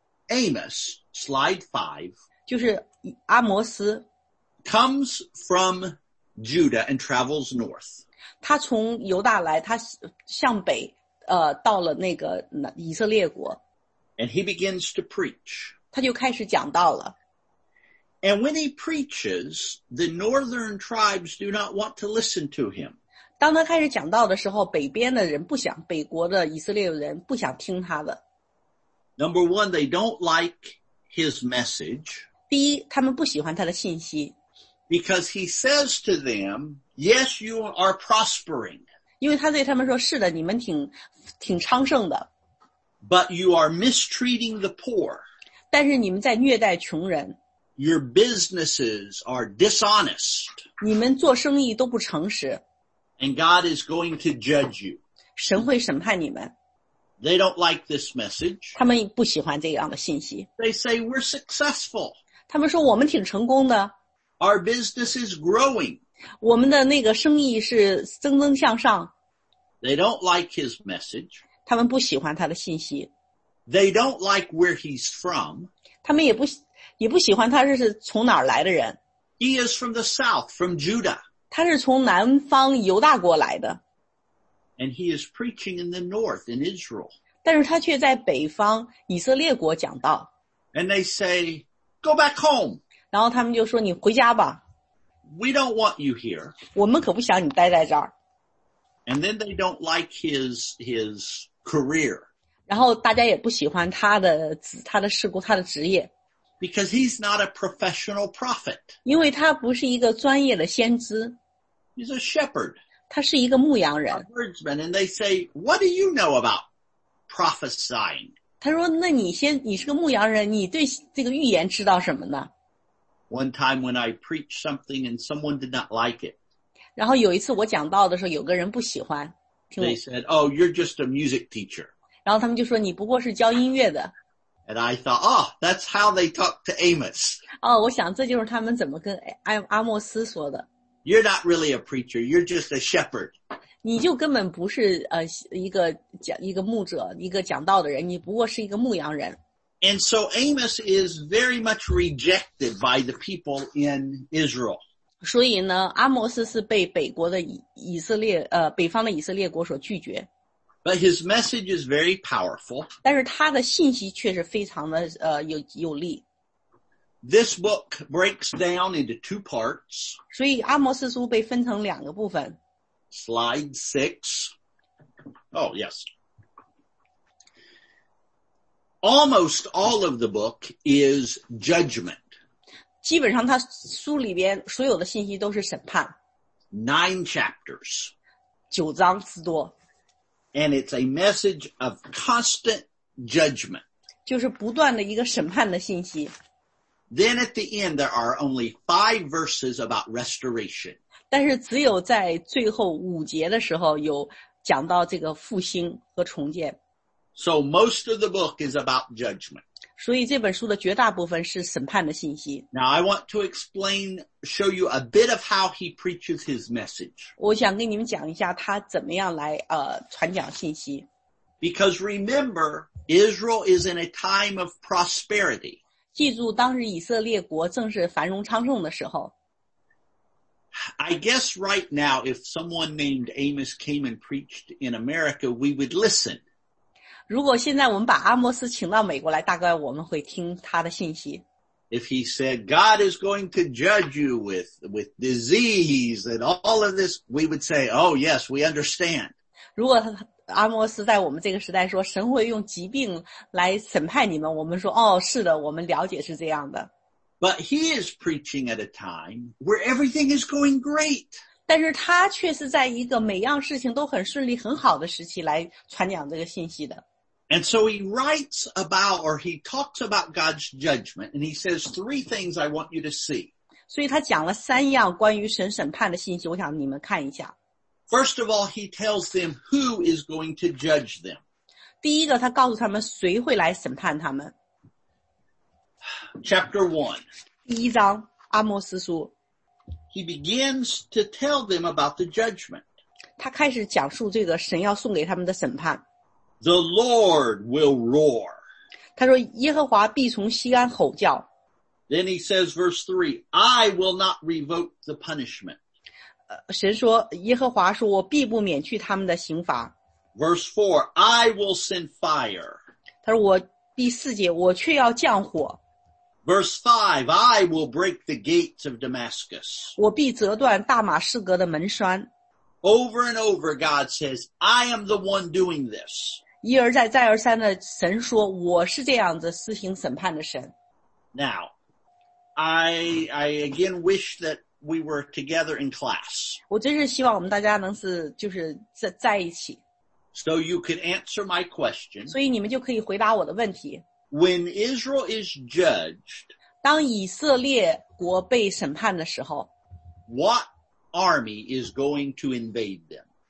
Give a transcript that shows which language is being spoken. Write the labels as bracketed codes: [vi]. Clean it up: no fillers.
[en] ,Amos, slide 5, [zh] 就是阿摩斯 [en] comes from Judah and travels north. [zh] 他从犹大来，他向北到了那个以色列国。 [en] And he begins to preach. [zh] 他就开始讲道了。 [en] And when he preaches, the northern tribes do not want to listen to him. [zh] 当他开始讲道的时候，北边的人不想，北国的以色列人不想听他的。 [en] Number one, they don't like his message. [zh] 第一，他们不喜欢他的信息。 [en] Because he says to them, yes, you are prospering. [zh] 因为他对他们说，是的，你们挺昌盛的。 [en] But you are mistreating the poor. [zh] 但是你们在虐待穷人。 [en] Your businesses are dishonest. [zh] 你们做生意都不诚实。 [en] And God is going to judge you. [zh] 神会审判你们。 [en] They don't like this message. [zh] 他们不喜欢这样的信息。 [en] They say we're successful. [zh] 他们说我们挺成功的。 [en] Our business is growing. [zh] 我们的那个生意是蒸蒸向上。 [en] They don't like his message. [zh] 他们不喜欢他的信息。 [en] They don't like where he's from. [zh] 他们也不喜欢他是从哪儿来的人。 [en] He is from the south, from Judah. [zh] 他是从南方犹大国来的。 [en] And he is preaching in the north, in Israel. [zh] 但是他却在北方以色列国讲道。 [en] And they say, go back home. [zh] 然后他们就说你回家吧。 [en] We don't want you here. [zh] 我们可不想你待在这儿。 [en] And then they don't like his career. [zh] 然后大家也不喜欢他的事故，他的职业。 [en] Because he's not a professional prophet. [zh] 因为他不是一个专业的先知。 [en] He's a shepherd. [zh] 他是一个牧羊人。 [en] A herdsman, and they say, what do you know about prophesying? [zh] 他说那你是个牧羊人，你对这个预言知道什么呢？ [en] One time when I preached something and someone did not like it. [zh] 然后有一次我讲道的时候，有个人不喜欢。 [en] They said, oh, you're just a music teacher. [zh] 然后他们就说你不过是教音乐的。 [en] And I thought, oh, that's how they talk to Amos. [zh] 哦，我想这就是他们怎么跟阿莫斯说的。 [en] You're not really a preacher, you're just a shepherd. [zh] 你就根本不是一个牧者，一个讲道的人，你不过是一个牧羊人。 [en] And so Amos is very much rejected by the people in Israel. [zh] 所以呢，阿莫斯是被北国的以色列，北方的以色列国所拒绝。 [en] But his message is very powerful. [zh] 但是他的信息却是非常的有力。 [en] This book breaks down into two parts. [zh] 所以阿摩斯书被分成两个部分。 [en] Slide 6. Oh, yes. Almost all of the book is judgment. [zh] 基本上他书里边所有的信息都是审判。 [en] 9 chapters. [zh] 九章之多。 [en] And it's a message of constant judgment. [zh] 就是不断的一个审判的信息。 [en] Then at the end, there are only 5 verses about restoration. [zh] 但是只有在最后五节的时候有讲到这个复兴和重建。 [en] So most of the book is about judgment. [zh] 所以这本书的绝大部分是审判的信息。 [en] Now I want to show you a bit of how he preaches his message. [zh] 我想跟你们讲一下他怎么样来传讲信息。 [en] Because remember, Israel is in a time of prosperity. [zh] 记住当时以色列国正是繁荣昌盛的时候。 [en] I guess right now, if someone named Amos came and preached in America, we would listen. [zh] 如果现在我们把阿摩斯请到美国来，大概我们会听他的信息。 [en] If he said, God is going to judge you with disease and all of this, we would say, oh yes, we understand. [zh] 如果阿摩斯在我们这个时代说神会用疾病来审判你们，我们说哦，是的，我们了解是这样的。 [en] But he is preaching at a time where everything is going great. [zh] 但是他却是在一个每样事情都很顺利很好的时期来传讲这个信息的。 [en] And so he writes about, or he talks about God's judgment, and he says 3 things I want you to see. [zh] 所以他讲了三样关于神审判的信息，我想你们看一下。 [en] First of all, he tells them who is going to judge them. [zh] 第一个，他告诉他们谁会来审判他们。 [en] Chapter 1. [zh] 第一章，阿摩斯书。 [en] He begins to tell them about the judgment. [zh] 他开始讲述这个神要送给他们的审判。 [en] The Lord will roar. [zh] 他说耶和华必从锡安吼叫。 [en] Then he says verse 3, I will not revoke the punishment. [zh] 神说耶和华说我必不免去他们的刑罚。 [en] Verse 4, I will send fire. [zh] 他说我第四节我却要降火。 [en] Verse 5, I will break the gates of Damascus. [zh] 我必折断大马士革的门栓。 [en] Over and over, God says, I am the one doing this. [zh] 一而再，再而三的神说，我是这样子施行审判的神。 [en] Now, I again wish that we were together in class. [zh] 我真是希望我们大家能是就是在一起。 [en] So you could answer my question. [zh] 所以你们就可以回答我的问题。 [en] When Israel is judged, [zh] 当以色列国被审判的时候 [en] ,What army is going to invade them?